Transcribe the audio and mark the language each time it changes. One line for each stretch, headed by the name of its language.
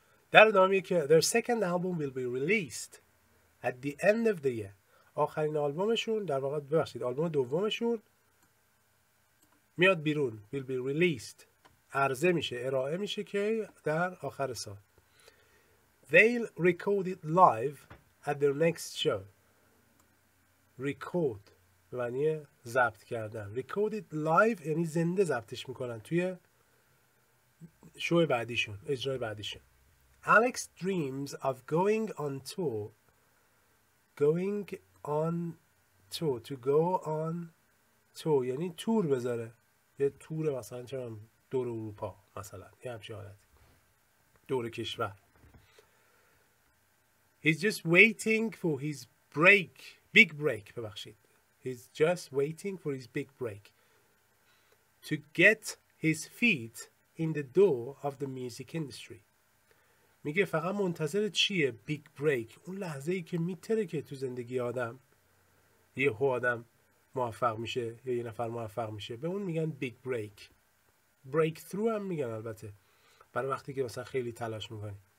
Persian: در ادامه که
English: their second album will be released at the end of the year،
Persian: آخرین آلبومشون در واقع، ببخشید، آلبوم دومشون میاد بیرون،
English: will be released،
Persian: عرضه میشه، ارائه میشه که در آخر سال.
English: They'll record it live at their next show.
Persian: Record به معنی ضبط کردن.
English: Record it live
Persian: یعنی زنده ضبطش میکنن توی شو بعدیشون، اجرای بعدیشون.
English: Alex dreams of going on tour.
Persian: Going on tour، to go on tour یعنی تور بذاره، یه تور مثلا چون دور اروپا مثلا، یه همچی حالت دور کشور.
English: He's just waiting for his break. Big break ببخشید. He's just waiting for his big break. To get his feet in the door of the music industry.
Persian: میگه فقط منتظر چیه big break؟ اون لحظه ای که میتره که تو زندگی آدم یه هو آدم موفق میشه یا یه نفر موفق میشه، به اون میگن big break. Break through هم میگن البته برای وقتی که مثلا خیلی تلاش میکنی.